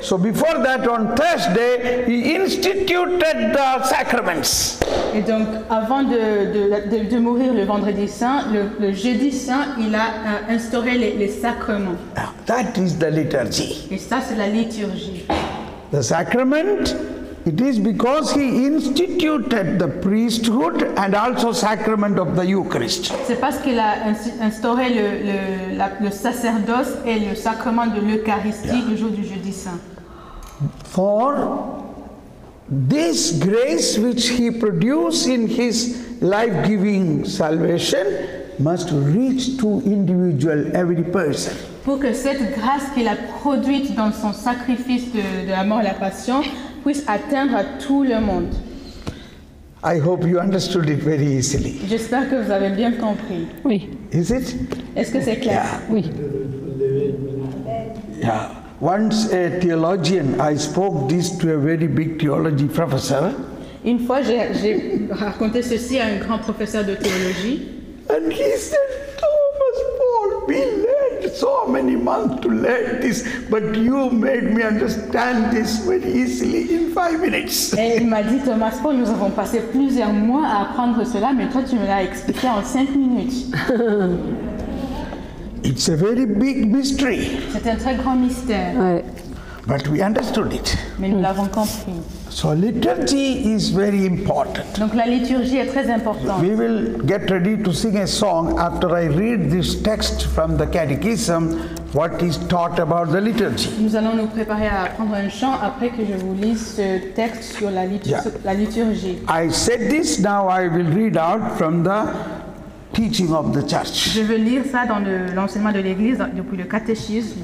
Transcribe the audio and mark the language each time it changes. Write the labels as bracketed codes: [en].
[en] So before that, on Thursday, he instituted the sacraments. [fr] Et donc, avant de mourir le vendredi saint, le jeudi saint, il a instauré les sacrements. [en] That is the liturgy. [fr] Et ça, c'est la liturgie. [en] The sacrament, it is because he instituted the priesthood and also sacrament of the Eucharist. [fr] C'est parce qu'il a instauré le sacerdoce et le sacrement de l'Eucharistie, yeah, le jour du jeudi saint. [en] For this grace which he produced in his life-giving salvation must reach to individual, every person. [fr] Pour que cette grâce qu'il a produite dans son sacrifice de la mort et la passion puisse atteindre à tout le monde. [en] I hope you understood it very easily. [fr] J'espère que vous avez bien compris. Oui. [en] Is it? [fr] Est-ce que c'est clair? Yeah. Oui. [en] Yeah. Once a theologian, I spoke this to a very big theology professor. [fr] Une fois, j'ai raconté ceci à un grand professeur de théologie. [en] And he said, Thomas Paul, be late, so many months to learn this, but you made me understand this very easily in 5 minutes. [fr] Et il m'a dit, Thomas Paul, nous avons passé plusieurs mois à apprendre cela, mais toi, tu me l'as expliqué en 5 minutes. [en] It's a very big mystery. [fr] C'est un très grand mystère. Ouais. [en] But we understood it. [fr] Mais nous l'avons compris. [en] So liturgy is very important. [fr] Donc la liturgie est très importante. [en] We will get ready to sing a song after I read this text from the catechism, what is taught about the liturgy. [fr] Nous allons nous préparer à apprendre un chant après que je vous lise ce texte sur la liturgie. [en] I said this, now I will read out from the teaching of the church. [fr] Je veux lire ça dans l'enseignement de l'église depuis le catéchisme.